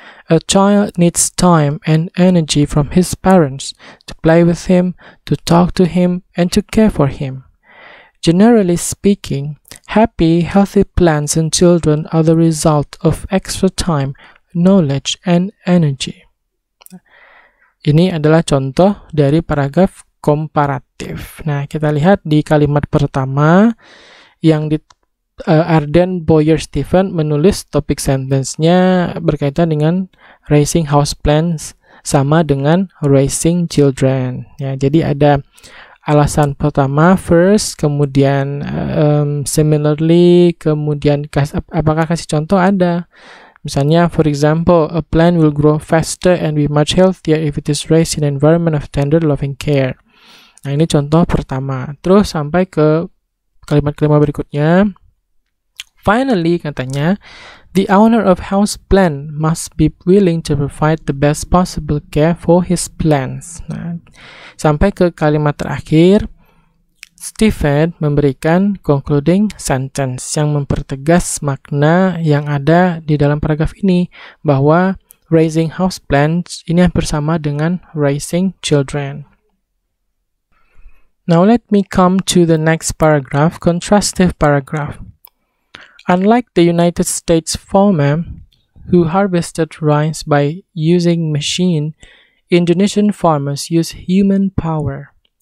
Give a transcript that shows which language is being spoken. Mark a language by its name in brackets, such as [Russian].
[English] A child needs time and energy from his parents to play with him, to talk to him, and to care for him. Generally speaking, happy, healthy plants and children are the result of extra time, knowledge, and energy. [Indonesian] Ini adalah contoh dari paragraf komparatif. Nah, kita lihat di kalimat pertama yang di Arden Boyer Stephen menulis topik sentence-nya berkaitan dengan [English] raising houseplants [Indonesian] sama dengan [English] raising children. [Indonesian] Ya, jadi ada alasan pertama first, kemudian similarly, kemudian apakah kasih contoh ada? [English] Misalnya, for example, a plant will grow faster and be much healthier if it is raised in an environment of tender loving care. [Indonesian] Nah, ini contoh pertama. Terus sampai ke kalimat kelima berikutnya. [English] Finally, katanya, the owner of house plant must be willing to provide the best possible care for his plants. [Indonesian] Nah, sampai ke kalimat terakhir, Stephen memberikan [English] concluding sentence [Indonesian] yang mempertegas makna yang ada di dalam paragraf ini, bahwa [English] raising house plants [Indonesian] ini hampir sama dengan [English] raising children. Now let me come to the next paragraph, contrastive paragraph. Unlike the United States farmer who harvested rice by using machine, Indonesian farmers use human power.